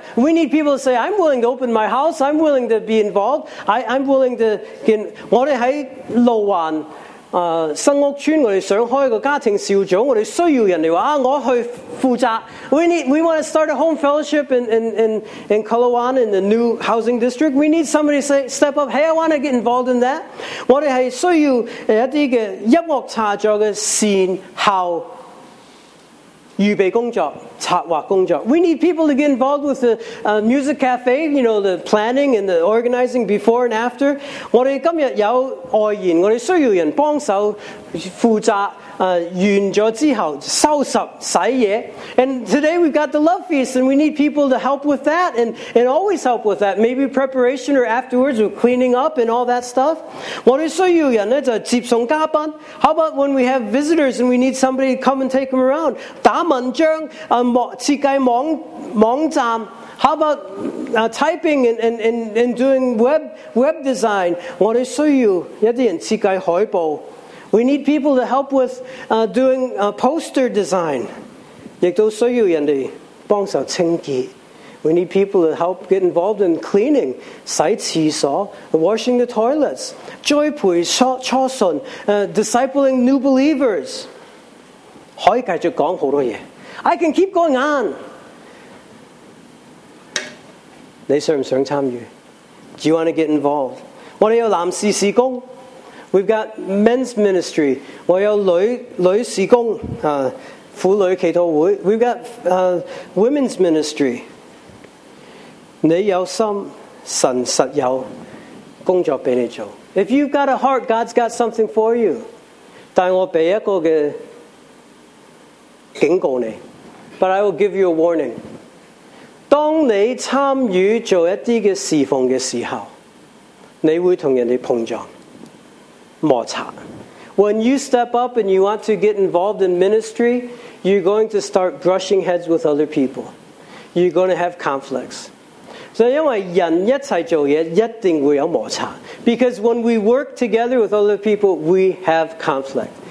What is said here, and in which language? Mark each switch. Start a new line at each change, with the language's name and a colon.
English: We need people to say, I'm willing to open my house. I'm willing to be involved. I'm willing to get.
Cantonese: 我哋喺路环新屋村，我哋想开个家庭小组，我哋需要人嚟话啊，我去负责。
English: We want to start a home fellowship in Kalawan in the new housing district. We need somebody to say, step up. Hey, I want to get involved in that.
Cantonese: 我哋系需要一啲嘅音乐插座嘅善后预备工作、策划工作。
English: We need people to get involved with the music cafe. You know, the planning and the organizing before and after.
Cantonese: 我哋今日有外言，我哋需要人帮手负责。完咗之后收拾洗嘢。
English: And today we've got the love feast and we need people to help with that and always help with that. Maybe preparation or afterwards or cleaning up and all that stuff.
Cantonese: 我哋需要人呢就接送嘉宾。
English: How about when we have visitors and we need somebody to come and take them around?
Cantonese: 打文章设计网站。
English: How about typing and doing web design?
Cantonese: 我哋需要一啲人设计海报。
English: We need people to help with doing poster design.
Cantonese: 亦都需要人哋帮手清洁。
English: We need people to help get involved in cleaning,
Cantonese: 洗厕所
English: washing the toilets,
Cantonese: 栽培初信
English: discipling new believers.
Cantonese: 可以继续讲好多嘢。
English: I can keep going on.
Cantonese: 你想唔想参与？
English: Do you want to get involved?
Cantonese: 我哋有男士事工。
English: We've got men's ministry.
Cantonese: 我有女事工，妇女祈祷会。
English: We've got women's ministry.
Cantonese: 你有心，神实有工作俾你做。
English: If you've got a heart, God's got something for you.
Cantonese: 但我俾一个嘅警告你。
English: But I will give you a warning.
Cantonese: 当你参与做一啲嘅侍奉嘅时候，你会同人哋碰撞。
English: When you step up and you want to get involved in ministry, you're going to start brushing heads with other people. You're going to have conflicts.
Cantonese: So, 因为人一起做嘢，一定会有摩擦。
English: Because when we work together with other people, we have conflict.